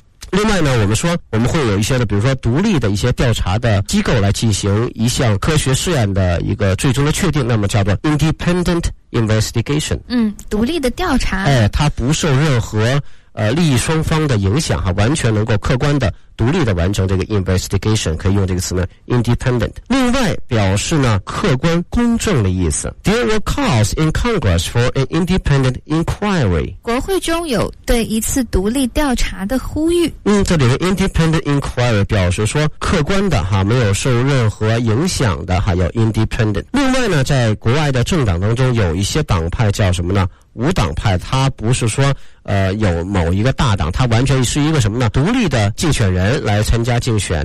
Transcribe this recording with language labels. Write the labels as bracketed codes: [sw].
[zh] 另外呢我们说我们会有一些的比如说独立的一些调查的机构来进行一项科学试验的一个最终的确定，那么叫做 independent investigation。独立的调查。它不受任何利益双方的影响完全能够客观的独立的完成这个 investigation， 可以用这个词呢 independent。另外表示呢客观公正的意思。 [en] There were calls in Congress for an independent inquiry， [zh] 国会中有对一次独立调查的呼吁。这里的 independent inquiry 表示说客观的哈，没有受任何影响的哈，要 independent。另外呢在国外的政党当中有一些党派叫什么呢，无党派，他不是说有某一个大党，他完全是一个什么呢，独立的竞选人来参加竞选。